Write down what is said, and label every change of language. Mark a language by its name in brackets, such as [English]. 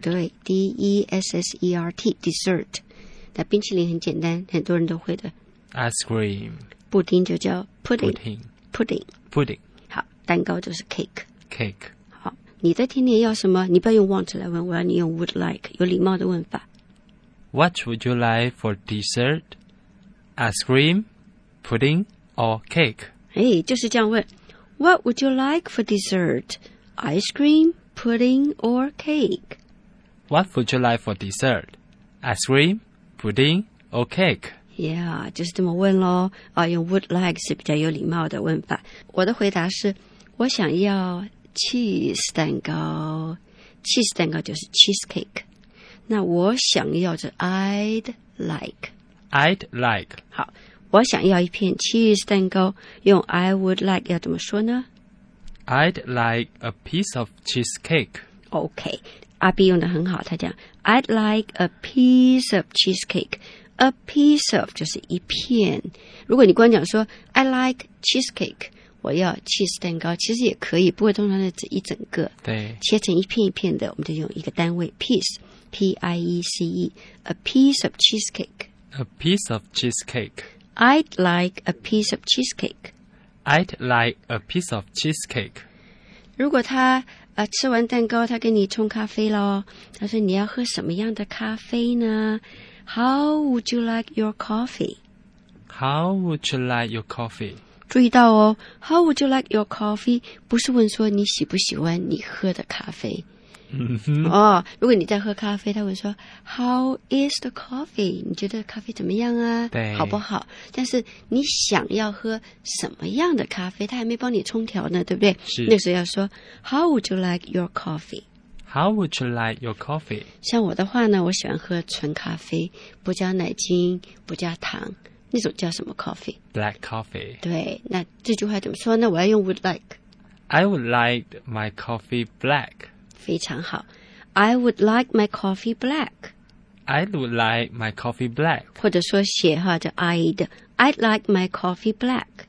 [Chinese] 对 D-E-S-S-E-R-T, dessert, 那冰淇淋很简单，很多人都会的 [English] ice cream, [Chinese] 布丁就叫 pudding, [English] pudding, pudding, pudding, [Chinese] 好，蛋糕就是 cake, [English] cake, [Chinese] 好，你的甜点要什么，你不要用 want 来问，我要你用 would like, 有礼貌的问法。 [English] What would you like for dessert? Ice cream, pudding, or cake? [Chinese] 哎，就是这样问， [English] What would you like for dessert? Ice cream, pudding, or cake? What would you like for dessert? Ice cream, pudding, or cake? [Chinese] Yeah, 就是这么问咯。啊，用 would like 是比较有礼貌的问法。我的回答是，我想要 cheese 蛋糕。 Cheese 蛋糕就是 cheesecake。那我想要是 [English] I'd like. I'd like. [Chinese] 好，我想要一片 cheese 蛋糕。用 I would like 要怎么说呢？ [English] I'd like a piece of cheesecake. Okay, 阿 B [Chinese] 用得很好，他讲 [English] I'd like a piece of cheesecake. A piece of [Chinese] 就是一片。如果你光讲说 [English] I like cheesecake, [Chinese] 我要 cheese 蛋糕，其实也可以，不过通常是一整个。对，切成一片一片的，我们就用一个单位 piece, P-I-E-C-E, [English] a piece of cheesecake. A piece of cheesecake. I'd like a piece of cheesecake. I'd like a piece of cheesecake. [Chinese] 如果他、吃完蛋糕，他给你冲咖啡了，他说你要喝什么样的咖啡呢？ [English] How would you like your coffee? How would you like your coffee? [Chinese] 注意到哦， [English] How would you like your coffee? [Chinese] 不是问说你喜不喜欢你喝的咖啡。哦，如果你在喝咖啡，他会说 [English] How is the coffee? [Chinese] 你觉得咖啡怎么样啊？对，好不好？但是你想要喝什么样的咖啡？他还没帮你冲调呢，对不对？是。那时候要说 [English] How would you like your coffee? How would you like your coffee? [Chinese] 像我的话呢，我喜欢喝纯咖啡，不加奶精，不加糖，那种叫什么 coffee? [English] Black coffee. [Chinese] 对，那这句话怎么说呢？我要用 would like. [English] I would like my coffee black. [Chinese] 非常好 [English] I would like my coffee black I would like my coffee black [Chinese] 或者说写哈叫 [English] I'd like my coffee black